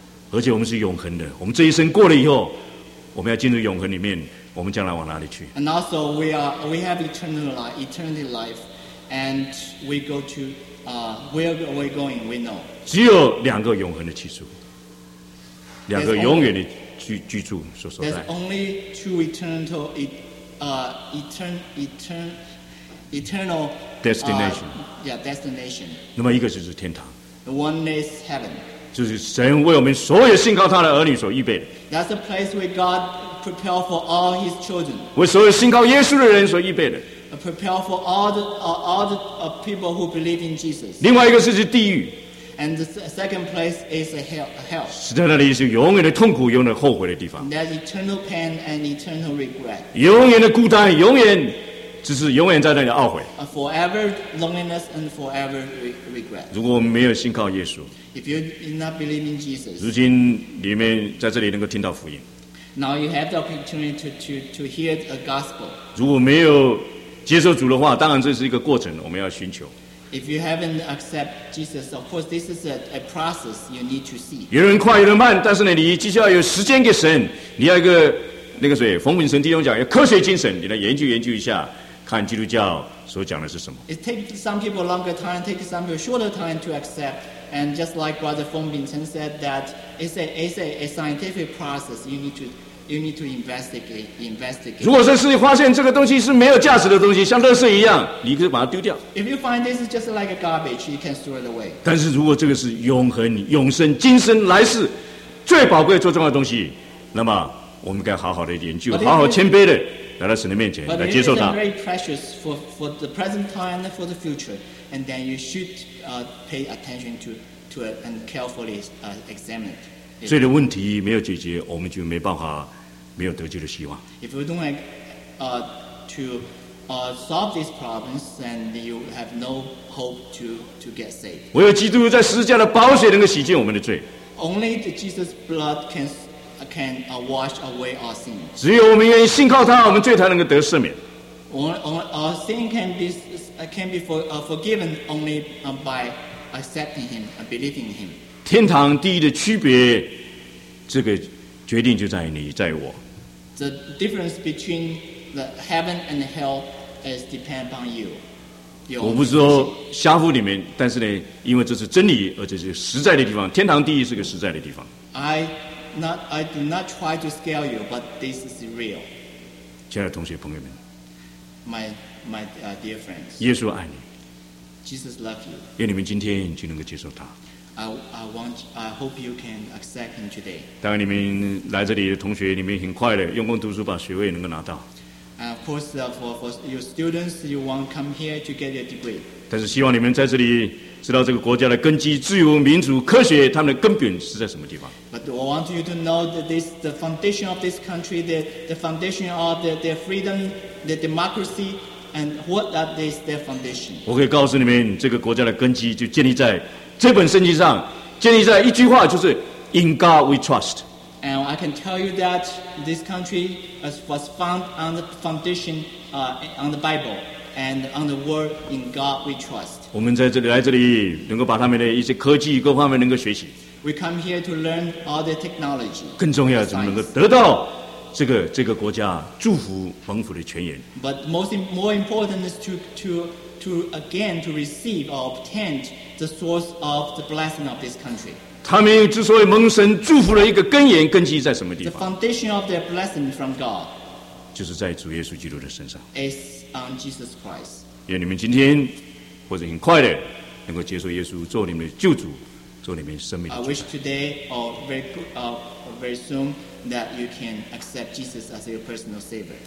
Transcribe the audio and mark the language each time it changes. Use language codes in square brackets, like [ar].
[zh] 而且我们是永恒的，我们这一生过了以后，我们要进入永恒里面，我们将来往哪里去 [en] ？And also we have eternal life, and we go to where we going? We know. [zh] 只有两个永恒的居住，两个永远的居住所在。 [en] There's only two eternal destination. Destination. [zh] 那么一个就是天堂。 [en] The one is heaven. [zh] 就是神为我们所有信靠他的儿女所预备的。 [en] That's a place where God prepared for all His children. [zh] 为所有信靠耶稣的人所预备的。 [en] Prepare for all the people who believe in Jesus. [zh] 另外一个是地狱。 [en] And the second place is hell. [zh] 是在那里是永远的痛苦、永远的后悔的地方。 [en] That's eternal pain and eternal regret. [zh] 永远的孤单，永远只是永远在那里懊悔。 [en] Forever loneliness and forever regret. [zh] 如果我们没有信靠耶稣。 [en] If you do not believe in Jesus, [zh] 如今你们在这里能够听到福音。 [en] Now you have the opportunity to hear a gospel. [zh] 如果没有接受主的话，当然这是一个过程，我们要寻求。 [en] If you haven't accept Jesus, of course this is a process you need to see. [zh] 有人快，有人慢，但是呢，你必须要有时间给神。你要一个那个谁，冯炳生弟兄讲，要科学精神，你来研究研究一下，看基督教所讲的是什么。 [en] It takes some people longer time, takes some people shorter time to accept. And just like Brother Feng Bingchen said, that it's a scientific process. You need to investigate. [zh] 如果说是发现这个东西是没有价值的东西，像垃圾一样，你可以把它丢掉。 [en] If you find this is just like a garbage, you can throw it away. [zh] 但是如果这个是永恒、永生、今生、来世最宝贵、最重要的东西，那么我们该好好的研究，好好谦卑的来到神的面前来接受它。 [en] But it is very precious for the present time and for the future. And then you should pay attention to it and carefully examine it. [zh] 罪的问题没有解决，我们就没办法没有得救的希望。 [en] If you don't solve these problems, then you have no hope to get saved. [zh] 唯有基督在十字架的宝血能够洗净我们的罪。 [en] Only the Jesus' blood can wash away our sins. [zh] 只有我们愿意信靠他，我们罪才能够得赦免。 [en] Our sin can be forgiven only by accepting Him and believing Him. [zh] 天堂地狱的区别，这个决定就在你，在我。 [en] The difference between the heaven and the hell is depend upon you. [zh] 我不是说瞎乎里面，但是呢，因为这是真理，而且是实在的地方。天堂地狱是个实在的地方。 [en] I do not try to scare you, but this is real. [zh] 亲爱的同学朋友们。 [en] My dear friends, [zh] 耶稣爱你。 [en] Jesus loves you. [zh] 愿你们今天就能够接受他。 [en] I hope you can accept him today. [zh] 当然，你们来这里的同学，你们很快的用功读书，把学位能够拿到。 [en] Of course, for your students, you want to come here to get your degree. [zh] 但是，希望你们在这里知道这个国家的根基——自由、民主、科学，他们的根本是在什么地方。 [en] But I want you to know that this the foundation of this country, the foundation of the freedom. The democracy and what that is their foundation. [zh] 我可以告诉你们，这个国家的根基就建立在这本圣经上，建立在一句话，就是 [en] "In God we trust." And I can tell you that this country was found on the foundation, on the Bible. and on the word in God we trust. [zh] 我们在这里来这里，能够把他们的一些科技各方面能够学习。 [en] We come here to learn all the technology. [zh] 更重要，怎么能够得到这个国家祝福蒙福的泉源 [en] ？But more important is to receive or obtain the source of the blessing of this country. [zh] 他们之所以蒙神祝福的一个根源根基在什么地方 [en] ？The foundation of their blessing from God. [zh] 就是在主耶稣基督的身上。 [en] Is on Jesus Christ. [zh] 愿你们今天或者很快的能够接受耶稣做你们的救主。做你们生命的主。 [en] I wish today or very soon that you can accept Jesus as your personal savior.